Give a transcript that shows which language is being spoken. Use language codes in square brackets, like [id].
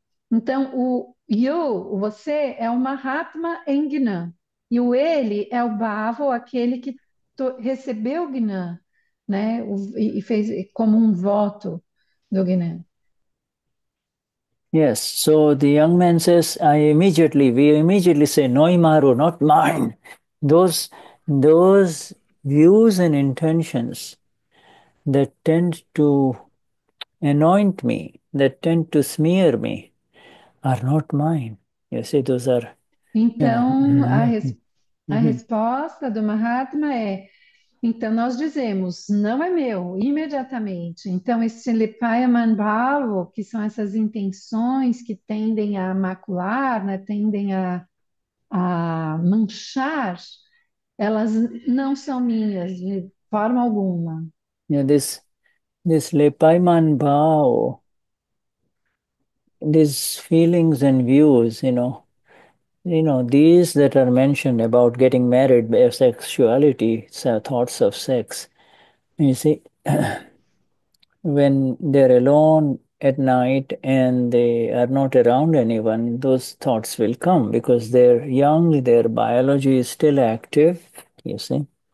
[pt] Então, você é o Mahatma Engnan, e o ele é o Bhavo, aquele que recebeu o Gnan, né, e fez como um voto do Gnan. [en] Yes, so the young man says, we immediately say, Noimaru, not mine. Those views and intentions that tend to anoint me, that tend to smear me, are not mine. You see, those are, [pt] Então, a resposta do Mahatma é: então nós dizemos, não é meu, imediatamente. Então, esse lipayaman bhavo, que são essas intenções que tendem a macular, né, tendem a manchar, elas não são minhas de forma alguma. [en] Yeah, this lepaiman bao, these feelings and views, these that are mentioned about getting married, their sexuality, so thoughts of sex, you see, when they're alone at night and they are not around anyone, those thoughts will come because they're young, their biology is still active, you see.